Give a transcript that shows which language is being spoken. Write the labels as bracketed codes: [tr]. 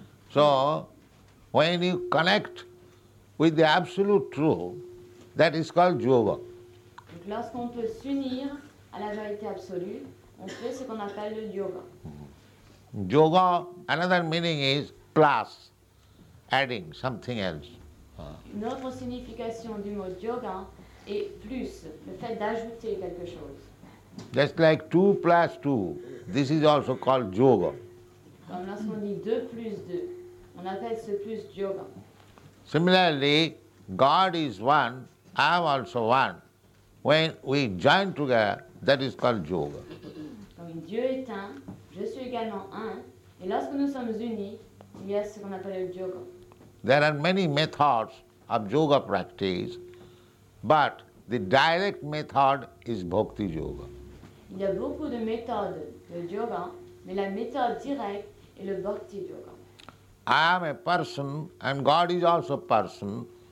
[en] So, when you connect with the Absolute Truth, that is called yoga. [fr] Donc lorsqu'on peut s'unir à la vérité absolue, on fait ce qu'on appelle le yoga. [en] Yoga, another meaning is plus, adding something else. [fr] Une autre signification du mot yoga est plus, le fait d'ajouter quelque chose. [en] Just like 2 plus 2, this is also called yoga. [fr] Comme lorsqu'on dit 2 plus 2, on appelle ce plus yoga. [en] Similarly, God is one, I am also one. When we join together, that is called yoga. [fr] Comme Dieu est un, je suis également un, et lorsque nous sommes unis, il y a ce qu'on appelle le yoga. [en] There are many methods of yoga practice, but the direct method is bhakti yoga. [fr] Il y a beaucoup de méthodes de yoga, mais la méthode directe est le bhakti yoga. [en] I am a person, and God is also a person.